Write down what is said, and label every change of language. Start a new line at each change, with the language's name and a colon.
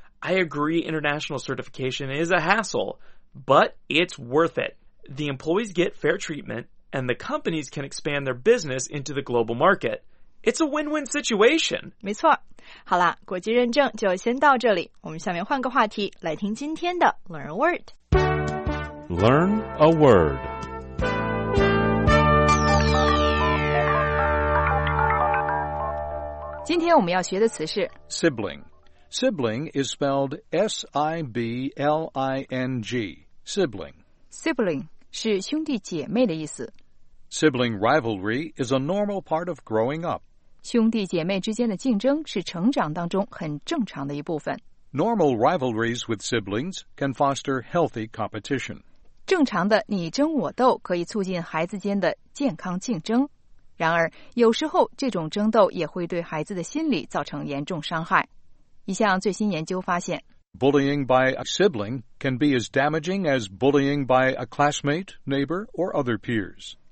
English: I agree international certification is a hassle， but it's worth it. The employees get fair treatmentAnd the companies can expand their business into the global market. It's a win-win situation.
Chinese: 没错。好了，国际认证就先到这里。我们下面换个话题，来听今天的 Learn a Word。
English: Learn a Word。
Chinese: 今天我们要学的词是
English: Sibling. Sibling is spelled S-I-B-L-I-N-G. Sibling.
Chinese: Sibling 是兄弟姐妹的意思。
English: Sibling rivalry is a normal part of growing up.
Chinese: 兄弟姐妹之间的竞争是成长当中很正常的一部分。
English: Normal rivalries with siblings can foster healthy competition.
Chinese: 正常的你争我斗可以促进孩子间的健康竞争。然而，有时候这种争斗也会对孩子的心理造成严重伤害。一项最新研究发现
English: Bullying by a sibling can be as damaging as bullying by a classmate, neighbor, or other peers.